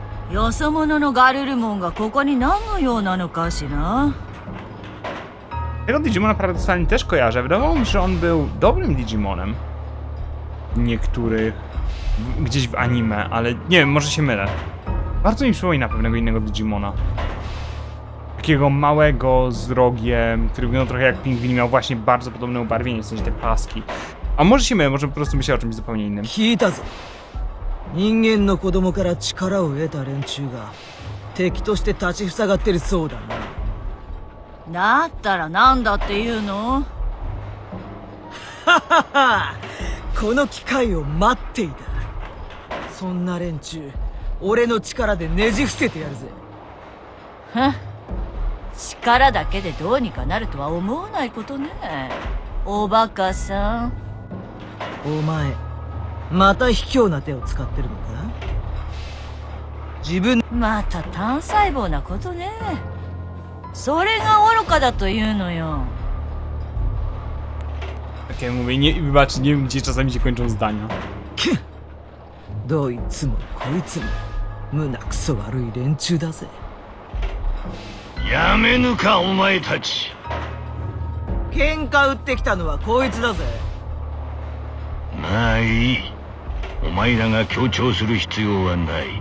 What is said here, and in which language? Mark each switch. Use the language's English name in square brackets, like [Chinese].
[Japanese] よそ者のガルルモンがここに何のようなのかしら。 [Polish] Tego Digimona paradoksalnie też kojarzę. Wydawało mi się, że on był dobrym Digimonem. Niektóry gdzieś w anime, ale nie wiem, może się mylę. Bardzo mi przypomina pewnego innego Digimona. Takiego małego, z rogiem, który wyglądał trochę jak pingwin, miał właśnie bardzo podobne ubarwienie, w sensie te paski. A może się mylę, może po prostu myślę o czymś zupełnie innym. Hitazu. [Japanese] 人間の子供から力を得た連中が敵として立ち塞がってるそうだな。だったら何だって言うの？ははは、この機会を待っていた。そんな連中、俺の力でねじ伏せてやるぜ。ふん、力だけでどうにかなるとは思わないことね。おバカさん。お前。また卑怯な手を使ってるのか？自分また単細胞なことね。それが愚かだというのよ。 [Polish] OK, mówię, nie, wybacz, nie wiem, gdzie czasami się kończą zdania. [Japanese] どいつもこいつも胸くそ悪い連中だぜ。やめぬか、お前たち。喧嘩売ってきたのはこいつだぜ。まあいい。お前らが協調する必要はない。